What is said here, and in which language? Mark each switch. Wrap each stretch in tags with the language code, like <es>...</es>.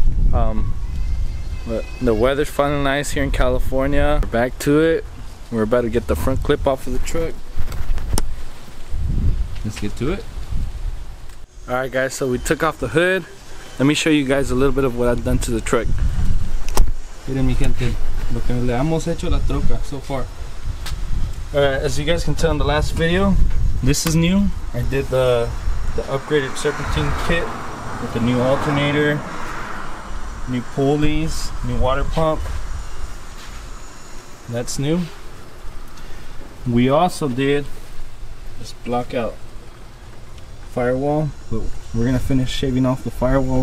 <en>But the weather's finally nice here in California. We're back to it. We're about to get the front clip off of the truck. Let's get to it. Alright guys, so we took off the hood. Let me show you guys a little bit of what I've done to the truck.</en> <es>Miren mi gente, lo que le hemos hecho a la troca</es> <en>so far. Alright, as you guys can tell in the last video, this is new. I did the upgraded serpentine kit with the new alternator, new pulleys, new water pump. That's new. We also did this block out firewall, but we're gonna finish shaving off the firewall.</en>